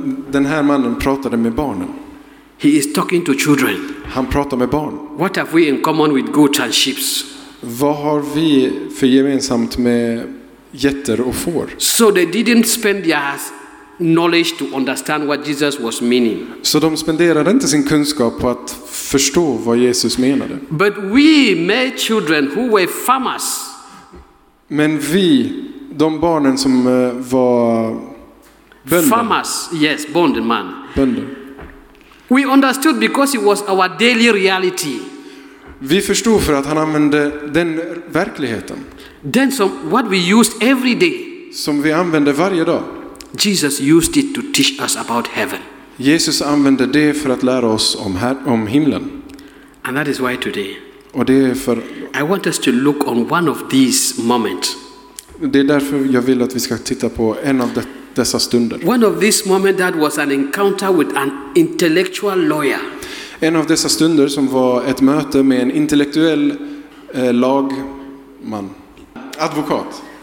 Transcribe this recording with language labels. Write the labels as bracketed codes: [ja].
[sv] Den här mannen pratade med barnen. [en] He is talking to children. [sv] Han pratar med barn. [en] What have we in common with goats and sheep? [sv] Vad har vi för gemensamt med getter och får? [en] So they didn't spend their knowledge to understand what Jesus was meaning. [sv] Så de spenderade inte sin kunskap på att förstå vad Jesus menade. [en] But we made children who were farmers. [sv] Men vi, de barnen som var bönder. [en] Farmers, yes, bondman. [sv] Bönder. [en] We understood because it was our daily reality. [sv] Vi förstod för att han använde den verkligheten. [en] Then some what we used every day. [sv] Som vi använde varje dag. [en] Jesus used it to teach us about heaven. [sv] Jesus använde det för att lära oss om om himlen. [en] And that is why today. [sv] Och det är för [en] I want us to look on one of these moments. [sv] Det är därför jag vill att vi ska titta på en av dessa stunder. [en] One of these moments that was an encounter with an intellectual lawyer. [sv] En av dessa stunder som var ett möte med en intellektuell lagman, advokat.